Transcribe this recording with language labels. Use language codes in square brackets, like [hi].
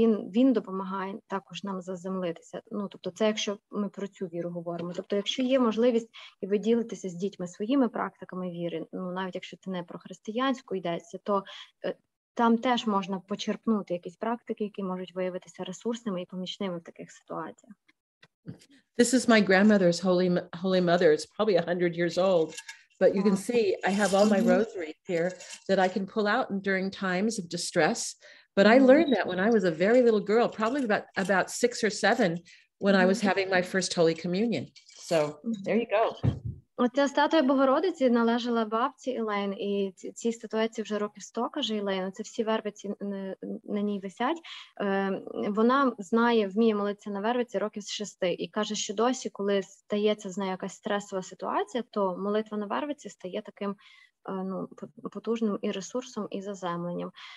[uk] Він допомагає також нам заземлитися. Ну, тобто це якщо ми про цю віру говоримо. Тобто, якщо є можливість і ви ділитеся з дітьми своїми практиками віри, ну, навіть якщо це не про християнську йдеться, то там теж можна почерпнути якісь практики, які можуть виявитися ресурсними і помічними в таких ситуаціях. [en] This is my grandmother's holy mother. It's probably 100 years old, but you can see I have all my rosaries here that I can pull out during times of distress. But I learned that when I was a very little girl, probably about 6 or 7, when I was having my first Holy Communion. So there you go. [uk] Оця статуя Богородиці належала бабці Елейн, і ці статуеці вже років 100, каже Елейн, це всі вервиці на ній висять. Вона знає, вміє молитися на вервиці років з 6, і каже, що досі, коли стається з нею якась стресова ситуація, то молитва на вервиці стає таким, ну, потужним і ресурсом, і заземленням.